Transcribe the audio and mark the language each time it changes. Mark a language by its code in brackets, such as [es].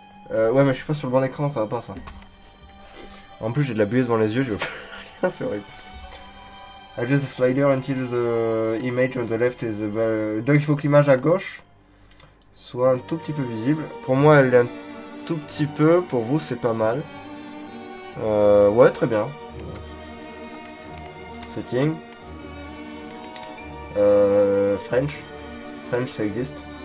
[fr] Ouais, mais je suis pas sur le bon écran, ça va pas ça. En plus, j'ai de la buée devant les yeux, je vois plus rien, c'est horrible. [en] Adjust the slider until the image on the left is. [fr] Donc il faut que l'image à gauche soit un tout petit peu visible. Pour moi elle est un tout petit peu, pour vous c'est pas mal. Ouais, très bien. [en] Setting. [fr] French. French ça existe.